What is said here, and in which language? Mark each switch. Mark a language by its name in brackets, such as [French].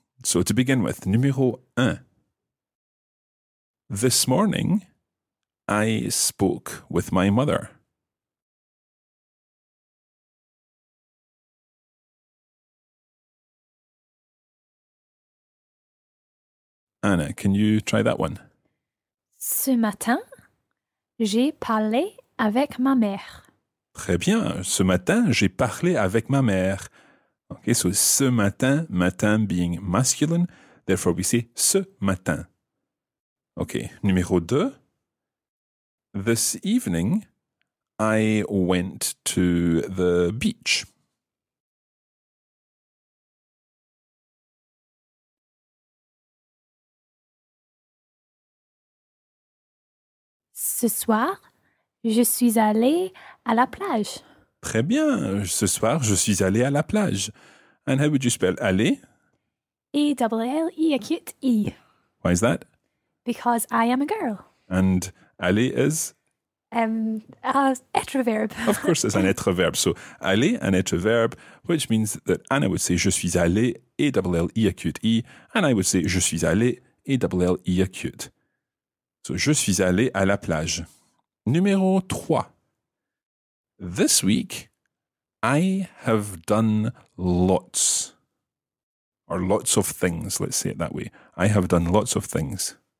[English] So, to begin with, [French] numéro un. [English] This morning, I spoke with my mother. Anna, can you try that one? [French] Ce matin, j'ai parlé avec ma mère. Très bien. Ce matin, j'ai parlé avec ma mère. [English] Okay, so [French] ce matin, [English] matin being masculine, therefore we say ce matin. Okay, [French] numéro deux. [English] This evening, I went to the beach. [French] Ce soir, je suis allé à la plage. Très bien. Ce soir, je suis allé à la plage. [English] And how would you spell aller? A-double-L-E, acute E. Why is that? Because I am a girl. And aller is? Être verb. Of course, it's an être verb. So, aller, an être verb, which means that Anna would say, [French] je suis allé, [English] A-double-L-E, acute E, and I would say, je suis allé, A-double-L-E, acute. [French] So, je suis allé à la plage. Numéro 3. [English] This week, I have done lots, or lots of things, let's say it that way. I have done lots of things.